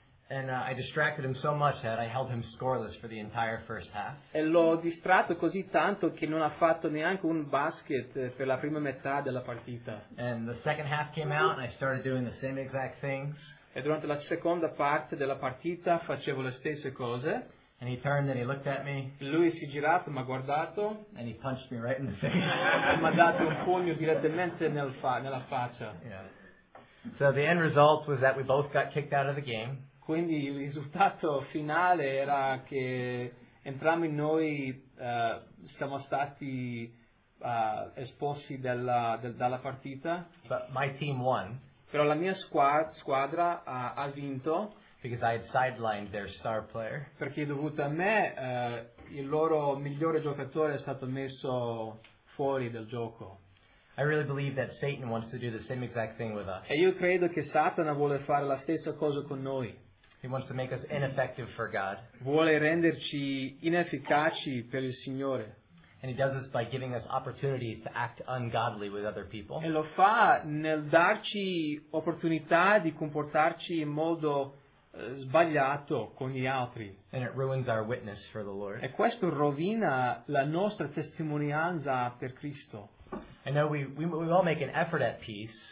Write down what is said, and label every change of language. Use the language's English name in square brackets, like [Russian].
[English] And I distracted him so much that I held him scoreless for the entire first half. [Italian] E l'ho distratto così tanto che non ha fatto neanche un basket per la prima metà della partita. [English] And the second half came out and I started doing the same exact things. [Italian] E durante la seconda parte della partita facevo le stesse cose. [English] And he turned and he looked at me. [Italian] Lui si è girato, mi ha guardato. [English] And he punched me right in the face. [Italian] E mi ha dato un pugno direttamente nella faccia. [English] Yeah. So the end result was that we both got kicked out of the game. [Italian] Quindi il risultato finale era che entrambi noi siamo stati esposti dalla partita. [English] But my team won. [Italian] Però la mia squadra ha vinto. [English] Because I had sidelined their star player. [Italian] Perché dovuto a me il loro migliore giocatore è stato messo fuori dal gioco. [English] I really believe that Satan wants to do the same exact thing with us. [Italian] E io credo che Satana vuole fare la stessa cosa con noi. [English] He wants to make us ineffective for God. [Italian] Vuole renderci inefficaci per il Signore. [English] And he does this by giving us opportunities to act ungodly with other people. [Italian] E lo fa nel darci opportunità di comportarci in modo sbagliato con gli altri. [English] And it ruins our witness for the Lord. [Italian] E questo rovina la nostra testimonianza per Cristo. [English] I know we all make an effort at peace.